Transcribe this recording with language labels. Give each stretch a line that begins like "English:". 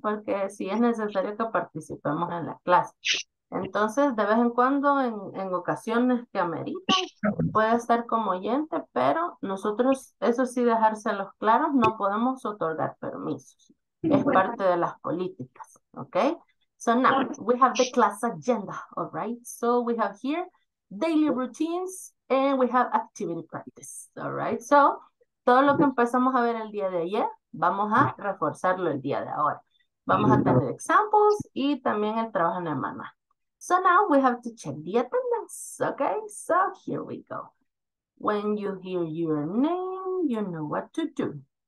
Spanish: Porque sí es necesario que participemos en la clase. Entonces, de vez en cuando, en ocasiones que ameritan, puede estar como oyente, pero nosotros, eso sí, dejárselos claros, no podemos otorgar permisos. Es parte de las políticas, ¿ok?
English: So now, we have the class agenda, all right? So we have here daily routines and we have activity practice, all right?
Spanish: So, todo lo que empezamos a ver el día de ayer, vamos a reforzarlo el día de ahora. Vamos a tener examples y también el trabajo en hermana.
English: So now we have to check the attendance, okay? So here we go. When you hear your name, you know what to do.